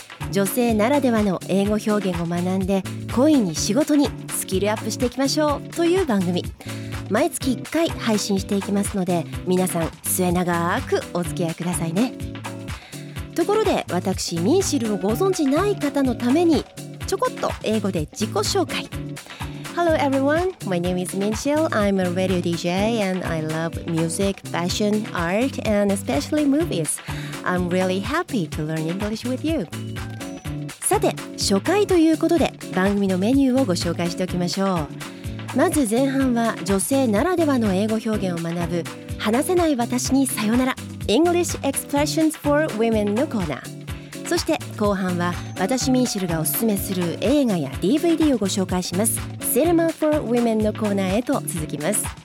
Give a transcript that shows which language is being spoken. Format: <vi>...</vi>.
<ja>女性ならではの英語表現を学んで恋に仕事にスキルアップしていきましょうという番組、毎月1回配信していきますので、皆さん末永くお付き合いくださいね。ところで私ミンシルをご存じない方のためにちょこっと英語で自己紹介。</ja> <en>Hello everyone, my name is Minchil. I'm a radio DJ and I love music, fashion, art, and especially movies. I'm really happy to learn English with you.</en> <ja>さて、初回ということで番組のメニューをご紹介しておきましょう。まず前半は女性ならではの英語表現を学ぶ話せない私にさよなら English Expressions for Women のコーナー、そして後半は私ミンシルがおすすめする映画や DVD をご紹介します、 Cinema for Women のコーナーへと続きます。</ja>